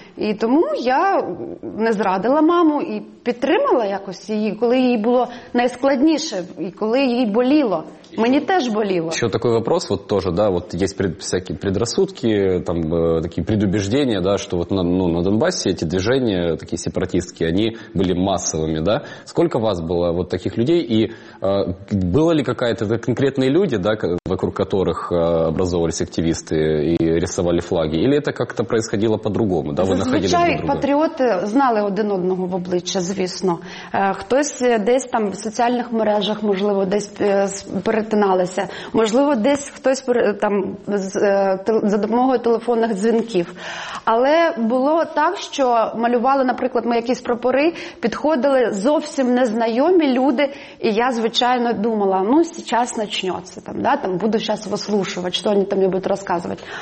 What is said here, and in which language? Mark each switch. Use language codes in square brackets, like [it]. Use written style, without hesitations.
[uk] І тому я не зрадила маму і підтримала якось її, коли їй було найскладніше, і коли їй боліло. Мені теж боліло. Ще такий вопрос, от теж, да, от є всякі предрассудки, там такі предубеждення, да, що от на, ну, на Донбасі ці движення, такі сепаратистські, вони були масовими, да? [ru] Сколько вас было вот таких людей, и было ли какая-то конкретные люди, да, вокруг которых образовывались активисты и рисовали флаги, или это как-то происходило по-другому, да, вы находились друг друга? [uk] Зазвичай патріоти знали один одного в обличчя, звісно. Хтось десь там в соціальних мережах, можливо, десь перетиналися, можливо, десь хтось там за допомогою телефонних дзвінків. Але було так, що малювали, наприклад, ми якісь прапори, підходили зовсім незнайомі люди, і я, звичайно, думала, ну, зараз почнеться, там, да, там, буду зараз вислушувати, що вони там мені будуть розказувати.